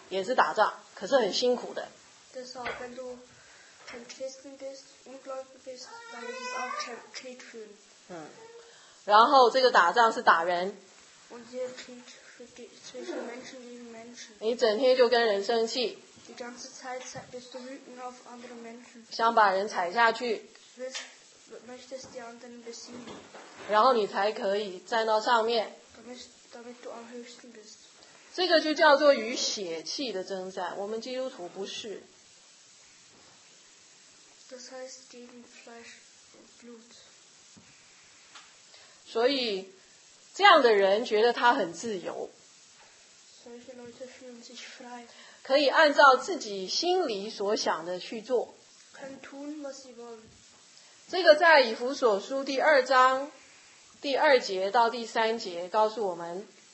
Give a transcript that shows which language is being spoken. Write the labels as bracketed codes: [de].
[zh] 也是打仗，可是很辛苦的。 [de] Deshalb, wenn du kein Christen bist, ungläubig bist, dann ist es auch Krieg führen. [zh] 然后这个打仗是打人。 [de] Und dieser Krieg zwischen Menschen gegen Menschen. [zh] 你整天就跟人生气。 [de] Die ganze Zeit bist du wütend auf andere Menschen. [zh] 想把人踩下去。 [de] Möchtest die anderen besiegen. [zh] 然后你才可以站到上面。 [de] Damit du am höchsten bist. [zh] 这个就叫做与血气的征战，我们基督徒不是。 [de] Das heißt gegen Fleisch und Blut. [zh] 所以这样的人觉得他很自由。 [de] Solche Leute fühlen sich frei. [zh] 可以按照自己心里所想的去做。 [de] Kann tun, was sie wollen. [zh] 这个在以弗所书第二章第二节到第三节告诉我们。